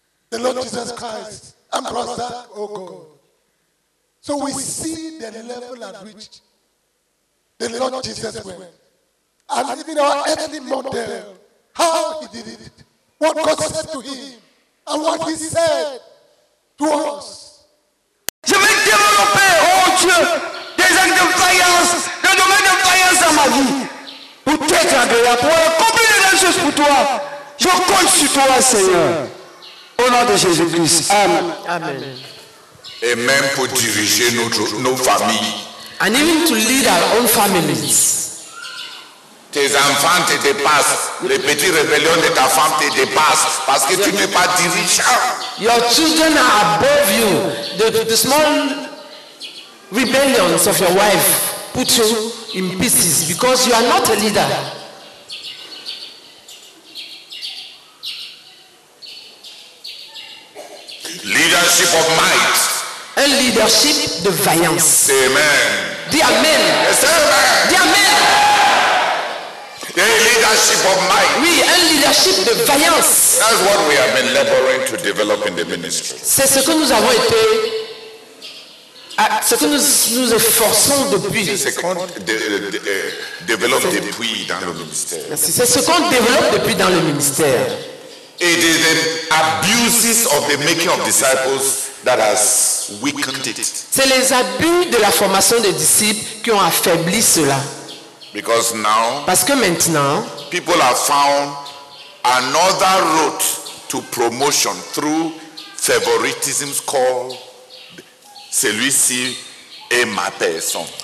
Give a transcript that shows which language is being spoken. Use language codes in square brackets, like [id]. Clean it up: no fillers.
[en] The Lord Jesus Christ and Brother, oh God. So we see the level at which the Lord Jesus went. And even our earthly model, how he did it, what God said to him, and what he said to us. [fr] Je vais développer, oh Dieu, des actes de faillance, des domaines de faillance dans ma vie. Pour t'être agréable, pour accomplir les mêmes choses pour toi. Je compte sur toi, Seigneur. Au nom de Jésus-Christ. Amen. Amen. Et même pour diriger nos familles. [en] And even to lead our own families. [fr] Tes enfants te dépassent. Les petites rébellions de ta femme te dépassent. Parce que tu n'es pas dirigeant. [en] Your children are above you. The small rebellions of your wife put you in pieces because you are not a leader. Leadership of might. [fr] Un leadership de vaillance. C'est amen. Dis amen. [en] Yes, amen. [fr] Dis amen. [en] A leadership of might. [fr] Oui, un leadership de vaillance. [en] That's what we have been laboring to develop in the ministry. [fr] C'est ce que nous avons été ce que nous efforçons depuis. C'est ce qu'on développe depuis dans le ministère. C'est ce qu'on développe depuis dans le ministère. [en] It is the abuses of the making of disciples that has weakened it. [fr] C'est les abus de la formation des disciples qui ont affaibli cela. [en] Because now, [fr] parce que maintenant, [en] people have found another route to promotion through favoritism called [fr] celui-ci est ma personne.